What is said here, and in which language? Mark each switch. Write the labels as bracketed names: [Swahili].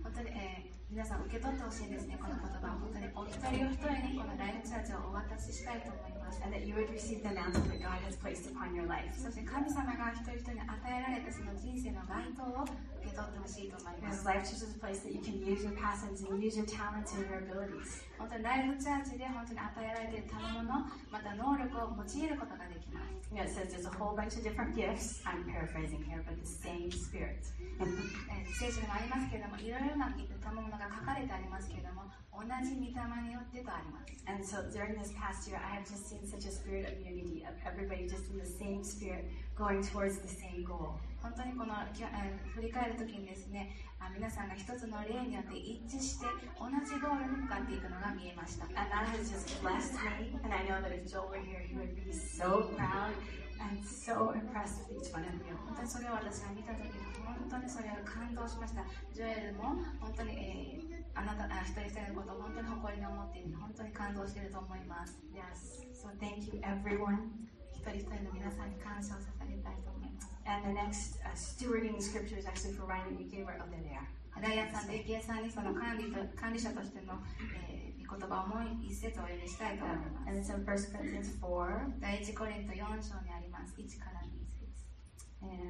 [Japanese] 本当に、皆さん受け取ってほしいですね。この言葉を本当にお一人お一人にこのライフチャージをお渡ししたいと思います。 [English] And that you would receive the mantle that God has placed upon your life. [Japanese] そして神様が一人一人に与えられたその人生の該当を受け取ってほしいと思います。 [English] Life Church is a place that you can use your passions and use your talents and your abilities. [Japanese] 本当にライフチャージで本当に与えられている賜物、また能力を用いることができます。 [English] You know, it says there's a whole bunch of different gifts. I'm paraphrasing here, but the same Spirit. [Japanese] 聖書にもありますけれども、いろいろな賜物が書かれてありますけれども、同じ御霊によってとあります。 [English] And so during this past year, I have just seen such a spirit of unity, of everybody just in the same spirit, going towards the same goal. [Japanese] 本当にこの振り返るときにですね、皆さんが一つの霊によって一致して、同じゴールに向かっていくのが見えました。 [English] And that has just blessed me, and I know that if Joel were here, he would be so proud. I'm so impressed with each one of you. [Japanese] 本当にそれを私が見たときに本当にそれを感動しました。ジョエルも本当に、あなた一人一人のことを本当に誇りに思っている。本当に感動していると思います。 [English] Yes. So thank you everyone. [Japanese] 一人一人の皆さんに感謝を捧げたいと思います。 [English] And the next、stewarding scripture is actually for Ryan and Yuki. We're over there. [Japanese] ライアンさんとユキエさんにその管理者としての、言葉をもう一節お読みしたいと思います。 [English] And it's in 1 Corinthians 4. [Japanese] 第一コリント4章にあります。1から2節。